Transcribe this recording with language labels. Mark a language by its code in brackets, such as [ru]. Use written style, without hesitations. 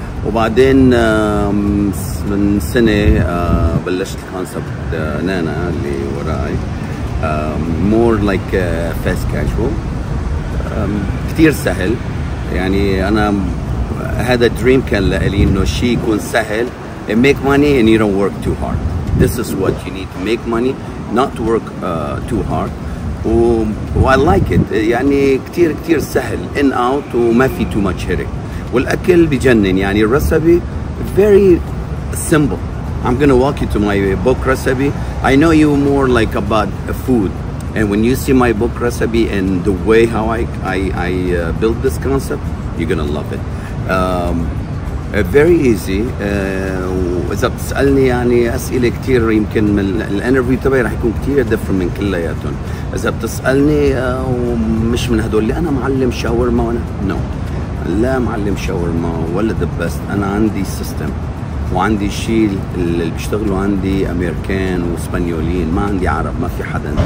[ar] وبعدين من سنه بلشت الكونسبت نانا اللي وراي، [en] more like fast casual, [ar] كتير سهل. يعني أنا هذا دريم كان لي إنه شيء يكون سهل. [en] And make money and you don't work too hard. This is what you need to make money, not to work too hard. و I like it. [ar] يعني كتير سهل. [en] In out [ar] وما في [en] too much headache. [ar] والأكل بجنن. يعني الرسبي [en] very simple. I'm gonna walk you to my book recipe. I know you more like about food, and when you see my book recipe and the way how I build this concept, you're gonna love it. Very easy. [ar] إذا بتسألني يعني أسئلة كتير يمكن من الانترفيو تبعي رح يكون كتير different من كلياتهم. إذا بتسألني مش من هدول اللي أنا معلم شاورما وأنا no. لا معلم شاورما ولا [en] the best. [ar] أنا عندي system وعندي شيء اللي بيشتغلوا عندي أمريكان وإسبانيولين، ما عندي عرب، ما في حدا.